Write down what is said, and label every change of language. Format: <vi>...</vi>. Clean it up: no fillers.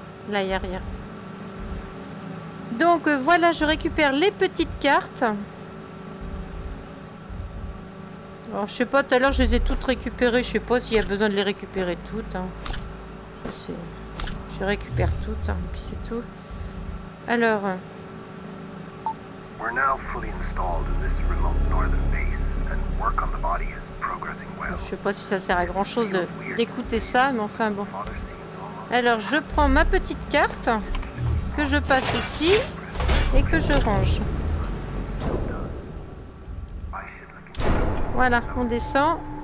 <fr>Là, y a rien. Donc, voilà, je récupère les petites cartes. Alors, je sais pas, tout à l'heure, je les ai toutes récupérées. Je sais pas s'il y a besoin de les récupérer toutes. Hein. Je sais... Je récupère tout, hein, et puis c'est tout. Alors.</fr> <en>We're now fully installed in this remote northern base, and work on the body is progressing well.</en> <fr>Je sais pas si ça sert à grand chose d'écouter ça, mais enfin bon. Alors je prends ma petite carte, que je passe ici, et que je range. Voilà, on descend.</fr>